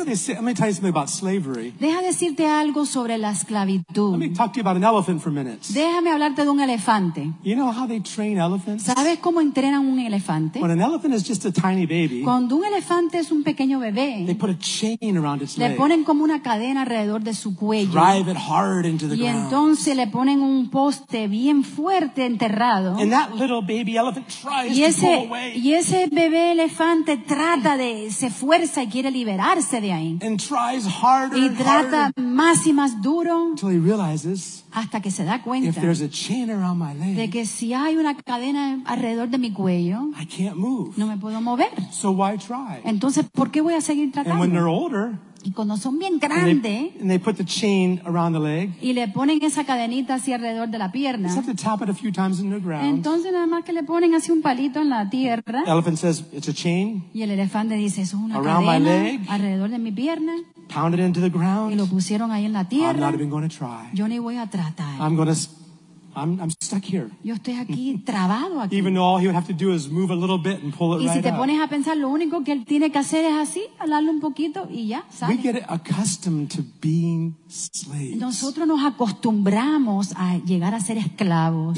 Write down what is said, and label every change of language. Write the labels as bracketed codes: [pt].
[en] You know, let me tell you something about slavery. [es] Deja decirte algo sobre la esclavitud. [en] Let me talk to you about an elephant for a minute. [es] Déjame hablarte de un elefante. [en] You know how they train elephants? [es] ¿Sabes cómo entrenan un elefante? [en] When an elephant is just a tiny baby, [es] cuando un elefante es un pequeño bebé. [en] They put a chain around its [es] le [en] leg, [es] ponen como una cadena alrededor de su cuello. [en] Drive it hard into the [es] y [en] ground. [es] Entonces le ponen un poste bien fuerte enterrado. [en] And that little baby elephant tries [es] y, ese, [en] to pull away. [es] Y ese bebé elefante trata de, se fuerza y quiere liberarse de ahí. [en] And tries harder [es] y trata [en] and harder [es] más y más duro. [en] Until he realizes, [es] hasta que se da cuenta [en] if there's a chain around my leg, [es] de que si hay una cadena alrededor de mi cuello, [en] I can't move. [es] No me puedo mover. [en] So why try? [es] Entonces, ¿por qué voy a seguir tratando? [en] And when they're older, [es] y cuando son bien grandes, [en] and they put the chain around the leg, [es] y le ponen esa cadenita así alrededor de la pierna, [en] they have to tap it a few times in the ground. [es] Entonces, nada más que le ponen así un palito en la tierra, [en] the elephant says, it's a chain, [es] y el elefante dice, eso es una [en] around [es] cadena [en] my leg, [es] alrededor de mi pierna. [en] Pounded into the ground. [es] Y lo pusieron ahí en la tierra. [en] I'm not even going to try. [es] Yo ni voy a tratar. [en] I'm stuck here. [es] Yo estoy aquí trabado aquí. [en] Even though all he would have to do is move a little bit and pull it [es] y si [en] right [es] te [en] up. [es] Pones a pensar, lo único que él tiene que hacer es así, alarlo un poquito y ya, sale. [en] We get accustomed to being slaves. [es] Nosotros nos acostumbramos a llegar a ser esclavos.